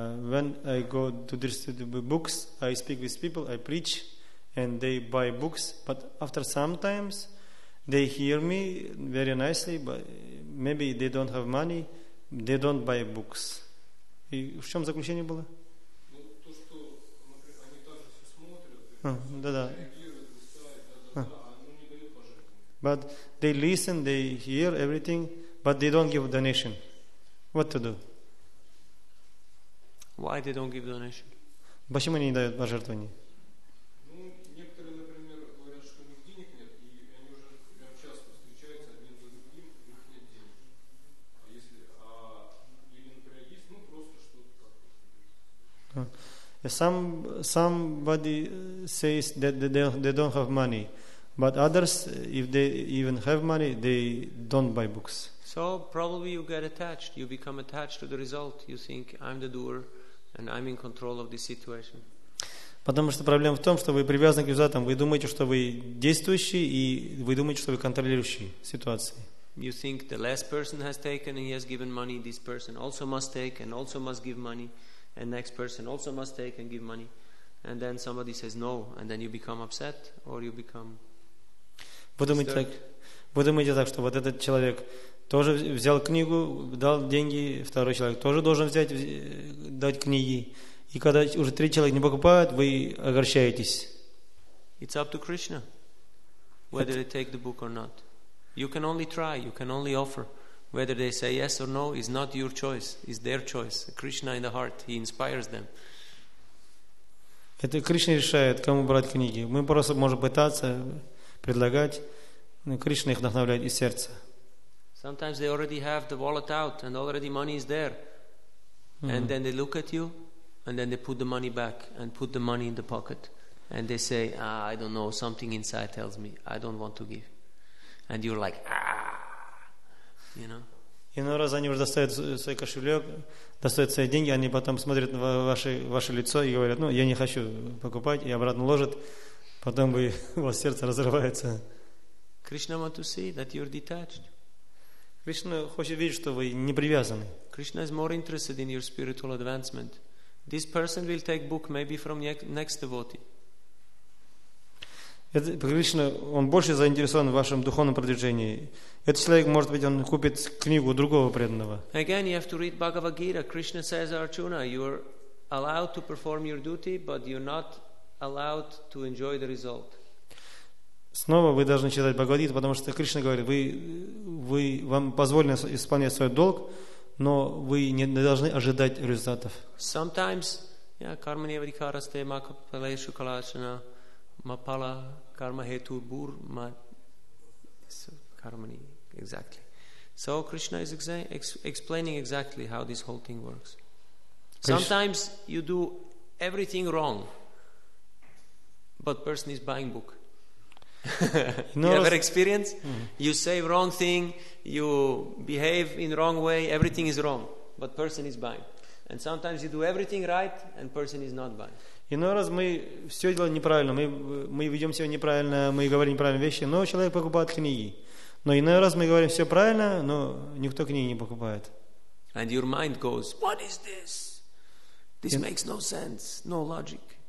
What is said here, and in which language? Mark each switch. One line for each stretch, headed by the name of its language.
English: When I go to distribute books, I speak with people, I preach, and they buy books. But after some times, they hear me very nicely, but maybe they don't have money, they don't buy books.
Russian: И в чем заключение было? Ну, то, что, например, они также все смотрят, да-да. Реагируют, ставят, да-да, а они не дают пожертвования.
English: But they listen, they hear everything, but they don't give donation. What to do? Why they don't give donation?
Russian: Почему они не дают пожертвования? Ну, некоторые, например, говорят, что у них денег нет, и они уже прям часто встречаются один за другим, у них нет денег. А если, а или, например, есть, ну просто что-то как-то.
English: Somebody says that they don't have money, but others, if they even have money, they don't buy books. So probably you get attached. You become attached to the result. You think I'm the doer. And I'm in control of this situation.
Russian: Потому что проблема в том, что вы привязаны к результатам. Вы думаете, что вы действующий, и вы думаете, что вы контролирующий ситуации.
English: You think the last person has taken and he has given money. This person also must take and also must give money. And next person also must take and give money. and then somebody says no, and then you become upset or you become.
Russian: Подумайте так, что вот этот человек тоже взял книгу, дал деньги, второй человек тоже должен взять, дать книги. И когда уже три человека не покупают, вы огорчаетесь.
English: It's up to Krishna whether they take the book or not. You can only try, you can only offer. Whether they say yes or no is not your choice, it's their choice. Krishna in the heart, he inspires them.
Russian: Это Кришна решает, кому брать книги. Мы просто можем пытаться предлагать. Кришна их вдохновляет из сердца.
English: Sometimes they already have the wallet out and already money is there. And then they look at you and then they put the money back and put the money in the pocket. And they say, ah, I don't know, something inside tells me, I don't want to give. And you're like, ah, you know.
Russian: Иной раз они уже достают свой кошелек, достают свои деньги, они потом смотрят на ваше лицо и говорят, ну, я не хочу покупать, и обратно ложат. Потом у вас сердце разрывается.
English: Krishna wants to see that you're detached.
Russian: Krishna хочет видеть, что вы не привязаны.
English: Krishna is more interested in your spiritual advancement. This person will take book maybe from next devotee.
Russian: Krishna, он больше заинтересован в вашем духовном продвижении. Этот человек, может быть, он купит книгу другого преданного.
English: Again, you have to read Bhagavad Gita. Krishna says, Arjuna, you're allowed to perform your duty, but you're not allowed to enjoy the result.
Russian: Снова вы должны читать Бхагавад-гиту, потому что Кришна говорит, вам позволено исполнять свой долг, но вы не должны ожидать результатов.
English: Sometimes, yeah,
Sanskrit: karma nevadikaraste makapaleshu kalachana mapala karma hetu bur ma karma ni
English: exactly. So Krishna is explaining exactly how this whole thing works. Sometimes you do everything wrong, but person is buying book. You ever experience? You say wrong thing, you behave in wrong way, everything is wrong, but person is buying. And sometimes you do everything right, and person is not buying.
Russian: Иной раз мы все делаем неправильно, мы ведем себя неправильно, мы говорим неправильные вещи, но человек покупает книги. Но иной раз мы говорим все правильно, но никто книги не покупает.
English: And your mind goes, what is this? This makes no sense, no logic.